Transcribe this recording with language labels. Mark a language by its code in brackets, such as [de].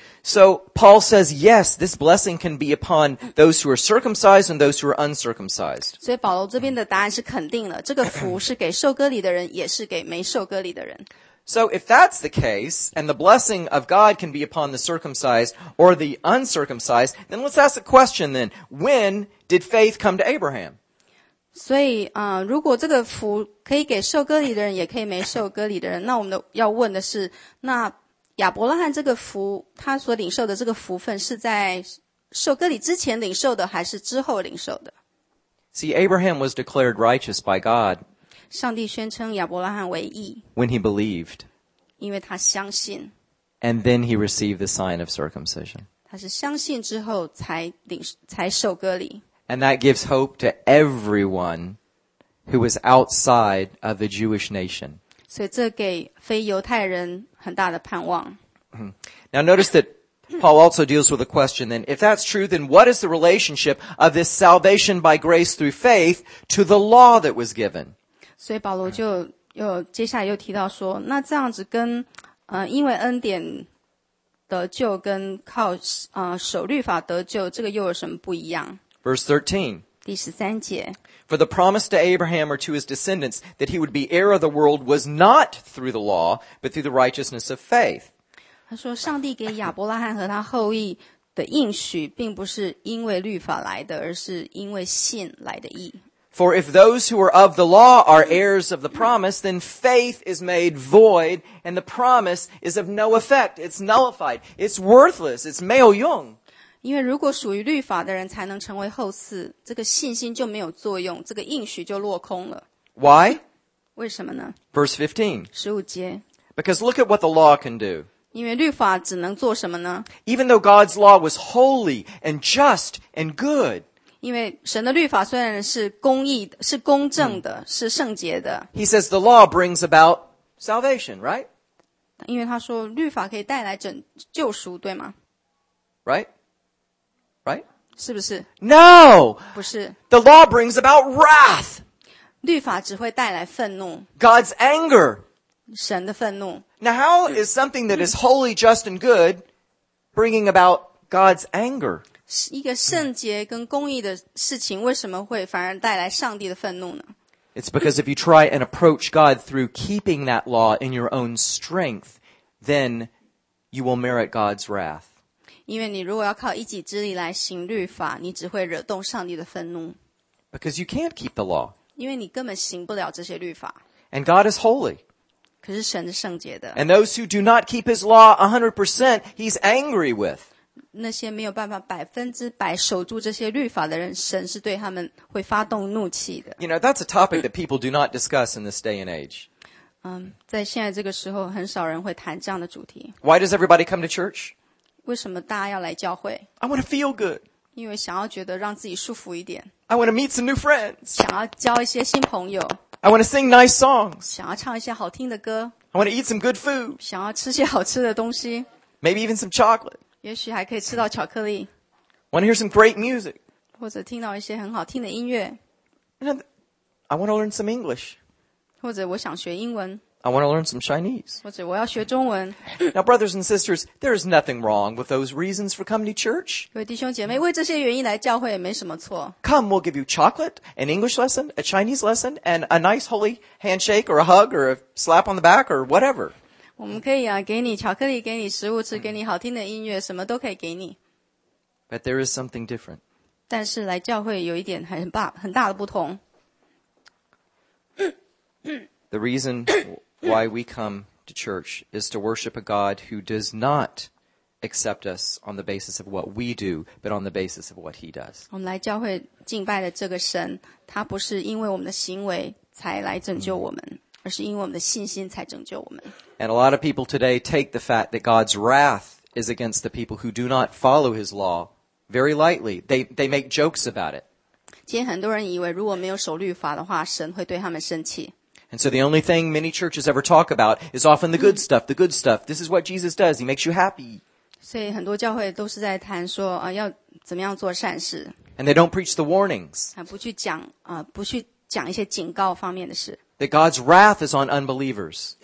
[en] So Paul says, yes, this blessing can be upon those who are circumcised and those who are uncircumcised. [zh] 所以保罗这边的答案是肯定了，这个福是给受割礼的人，也是给没受割礼的人。 [en] So if that's the case, and the blessing of God can be upon the circumcised or the uncircumcised, then let's ask a question then. When did faith come to Abraham? [zh] 所以如果这个福可以给受割礼的人也可以没受割礼的人，那我们要问的是，那亚伯拉罕这个福他所领受的这个福分是在受割礼之前领受的还是之后领受的？ [en] See, Abraham was declared righteous by God. [zh] 上帝宣称亚伯拉罕为义。 [en] When he believed. [zh] 因为他相信。 [en] And then he received the sign of circumcision. [zh] 他是相信之后才受割礼。 [en] And that gives hope to everyone who is outside of the Jewish nation. [zh] 所以这给非犹太人很大的盼望。 [en] Now notice that Paul also deals with the question then, if that's true, then what is the relationship of this salvation by grace through faith to the law that was given? [zh] 所以保罗就又接下来又提到说，那这样子跟因为恩典得救跟靠守律法得救，这个又有什么不一样？ [en] Verse 13. [zh] 第十三节。 [en] For the promise to Abraham or to his descendants that he would be heir of the world was not through the law, but through the righteousness of faith. [zh] 他说上帝给亚伯拉罕和他后裔的应许并不是因为律法来的，而是因为信来的义。 [en] For if those who are of the law are heirs of the promise, then faith is made void, and the promise is of no effect. It's nullified. It's worthless. It's [zh] 没有用。因为如果属于律法的人才能成为后嗣，这个信心就没有作用，这个应许就落空了。 [en] Why? [zh] 为什么呢 [en] ？Verse 15. [zh] 十五节。 [en] Because look at what the law can do. [zh] 因为律法只能做什么呢 [en] ？Even though God's law was holy and just and good. [zh] 因为神的律法虽然是公义的是公正的、嗯、是圣洁的。 [en] He says the law brings about salvation, right? [zh] 因为他说律法可以带来拯救赎对吗 [en] ?Right? Right? [zh] 是不是 [en] ?No! [zh] 不是。 [en] The law brings about wrath! [zh] 律法只会带来愤怒。 [en] God's anger! [zh] 神的愤怒。 [en] Now how is something that is holy, just, and good bringing about God's anger? [zh] 一个圣洁跟公义的事情为什么会反而带来上帝的愤怒呢 [en] It's because if you try and approach God through keeping that law in your own strength, then you will merit God's wrath. [zh] 因为你如果要靠一己之力来行律法你只会惹动上帝的愤怒 [en] Because you can't keep the law. [zh] 因为你根本行不了这些律法 [en] And God is holy. [zh] 可是神是圣洁的 [en] And those who do not keep his law 100%, he's angry with. [zh] 那些没有办法百分之百守住这些律法的人，神是对他们会发动怒气的。 [en] You know, that's a topic that people do not discuss in this day and age. [zh] 在现在这个时候，很少人会谈这样的主题。 [en] Why does everybody come to church? [zh] 为什么大家要来教会 [en] ？I want to feel good. [zh] 因为想要觉得让自己舒服一点。 [en] I want to meet some new friends. [zh] 想要交一些新朋友。 [en] I want to sing nice songs. [zh] 想要唱一些好听的歌。 [en] I want to eat some good food. [zh] 想要吃些好吃的东西。 [en] Maybe even some chocolate. [zh] 也许还可以吃到巧克力。 [en] Want to hear some great music? [zh] 或者听到一些很好听的音乐。 [en] I want to learn some English. [zh] 或者我想学英文。 [en] I want to learn some Chinese. [zh] 或者我要学中文。 [en] Now, brothers and sisters, there is nothing wrong with those reasons for coming to church. [zh] 各位弟兄姐妹，为这些原因来教会也没什么错。 [en] Come, we'll give you chocolate, an English lesson, a Chinese lesson, and a nice holy handshake or a hug or a slap on the back or whatever. [zh] 我们可以啊，给你巧克力，给你食物吃，给你好听的音乐，什么都可以给你。 [en] But there is something different. [zh] 但是来教会有一点很大的不同。 [en] The reason why we come to church is to worship a God who does not accept us on the basis of what we do, but on the basis of what He does. [zh] 我们来教会敬拜的这个神，他不是因为我们的行为才来拯救我们。而是因为我们的信心才拯救我们。 [en] And a lot of people today take the fact that God's wrath is against the people who do not follow His law very lightly. They make jokes about it. [zh] 今天很多人以为如果没有守律法的话，神会对他们生气。 [en] And so the only thing many churches ever talk about is often the good stuff. The good stuff. This is what Jesus does. He makes you happy. [zh] 所以很多教会都是在谈说啊，要怎么样做善事。 [en] And they don't preach the warnings. [zh] 啊，不去讲啊，不去讲一些警告方面的事。 [en] That God's wrath is on unbelievers.